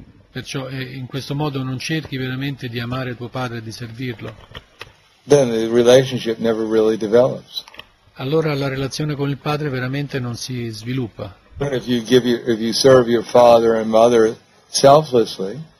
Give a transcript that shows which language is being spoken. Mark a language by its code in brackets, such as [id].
[it] Perciò in questo modo non cerchi veramente di amare tuo padre e di servirlo. [en] Then the relationship never really develops. [it] Allora la relazione con il padre veramente non si sviluppa. [en] But if you serve your father and mother selflessly.